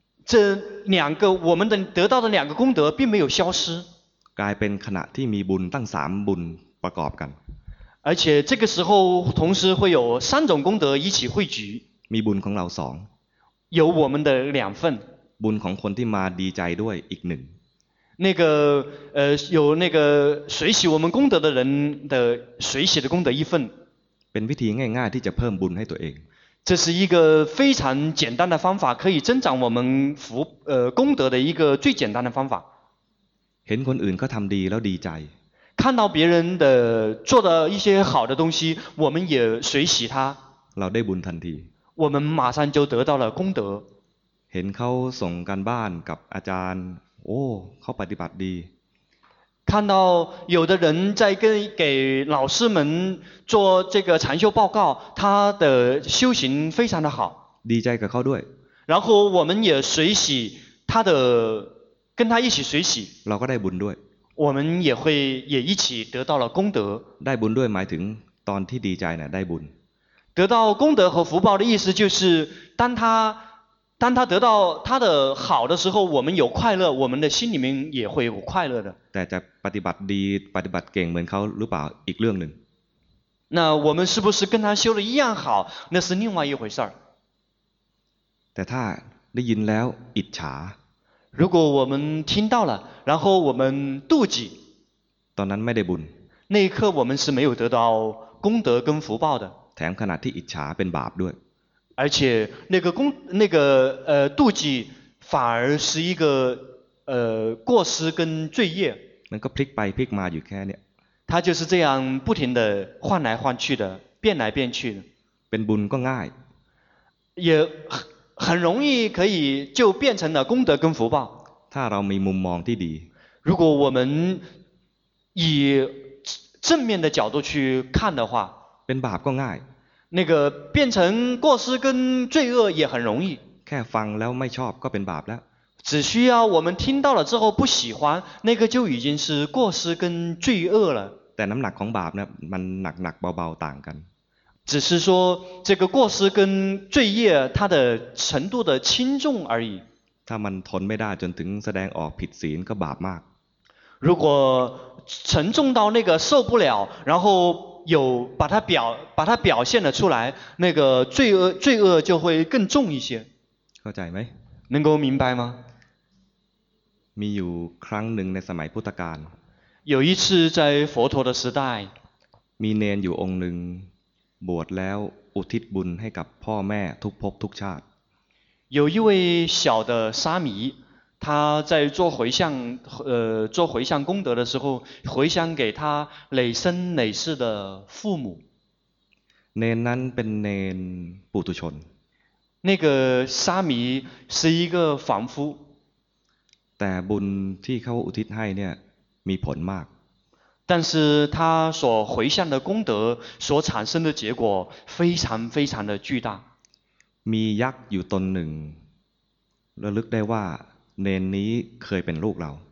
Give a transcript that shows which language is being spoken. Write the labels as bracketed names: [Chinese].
[Chinese] 这两个我们的得到的两个功德并没有消失 [Thai] กลายเป็นขณะที่มีบุญตั้งสามบุญประกอบกัน [Chinese] 而且这个时候同时会有三种功德一起汇聚 [Thai] มีบุญของเราสอง [English] You [Chinese] 我们的两份 [Thai] บุญของคนที่มาดีใจด้วยอีกหนึ่ง [Chinese] 那个有那个随喜我们功德的人的随喜的功德一份 [Thai] เป็นวิธีง่ายๆที่จะเพิ่มบุญให้ตัวเอง [Chinese] 这是一个非常简单的方法可以增长我们福功德的一个最简单的方法 [Thai] เห็นคนอื่นเขาทำดีแล้วดีใจ [Chinese] 看到别人的做的一些好的东西我们也随喜他 [Thai] เราได้บุญทันที วันมาซันจะ [Chinese] 得到了功德 [Thai] เห็นเขาส่งการบ้านกับอาจารย์โอ้เขาปฏิบัติดี [Chinese] 看到有的人在跟给老师们做这个禅修报告他的修行非常的好 [Thai] ดีใจกับเขาด้วย [Chinese] 然后我们也随喜他的跟他一起随喜 [Thai] เราก็ได้บุญด้วย [Chinese] 我们也一起得到了功德 [Thai] ได้บุญด้วยหมายถึงตอนที่ดีใจน่ะได้บุญ [Chinese] 得到功德和福报的意思就是当他得到他的好的时候我们有快乐我们的心里面也会有快乐的 [Thai] แต่จะปฏิบัติดีปฏิบัติเก่งเหมือนเขาหรือเปล่าอีกเรื่องหนึ่ง [Chinese] 那我们是不是跟他修的一样好那是另外一回事儿 [Thai] แต่ถ้าได้ยินแล้วอิจฉา [Chinese] 如果我们听到了然后我们妒忌 [Thai] ตอนนั้นไม่ได้บุญ [Chinese] 那一刻我们是没有得到功德跟福报的 [Thai] แถมขณะที่อิจฉาเป็นบาปด้วย [Chinese] 而且妒忌反而是一个过失跟罪业 [Thai] มันก็พลิกไปพลิกมาอยู่แค่เนี้ย [Chinese] 它就是这样不停的换来换去的变来变去 [Thai] เป็นบุญก็ง่าย [Chinese] 也很容易可以就变成了功德跟福报 [Thai] ถ้าเรามีมุมมองที่ดี [Chinese] 如果我们以正面的角度去看的话 [Thai] เป็นบาปก็ง่าย [Chinese] 那个变成过失跟罪恶也很容易 [Thai] แค่ฟังแล้วไม่ชอบก็เป็นบาปแล้ว [Chinese] 只需要我们听到了之后不喜欢那个就已经是过失跟罪恶了但 [Thai] น้ำหนักของบาปเนี่ยมันหนักหนักเบาเบาต่างกัน [Chinese] 只是说这个过失跟罪业它的程度的轻重而已 [Thai] ถ้ามันทนไม่ได้จนถึงแสดงออกผิดศีลก็บาปมาก [Chinese] 如果沉重到那个受不了然后有把它表现了出来那个罪恶就会更重一些 [Thai] เข้าใจไหม [Chinese] 能够明白吗 [Thai] มีอยู่ครั้งหนึ่งในสมัยพุทธกาล [Chinese] 有一次在佛陀的时代 [Thai] มีเนนอยู่องค์หนึ่งบวชแล้วอุทิศบุญให้กับพ่อแม่ทุกภพทุกชาติ [Chinese] 有一位小的沙弥他在做回向做回向功德的时候回向给他累生累世的父母 [Thai] เนนนั้นเป็นเนนปุถุชน [Chinese] 那个沙弥是一个凡夫 [Thai] แต่บุญที่เขาอุทิศให้เนี่ยมีผลมาก [Chinese] 但是他所回向的功德所产生的结果非常非常的巨大 [Thai] มียักษ์อยู่ตนหนึ่งระลึกได้ว่าเนนนี้เคยเป็นลูกเรา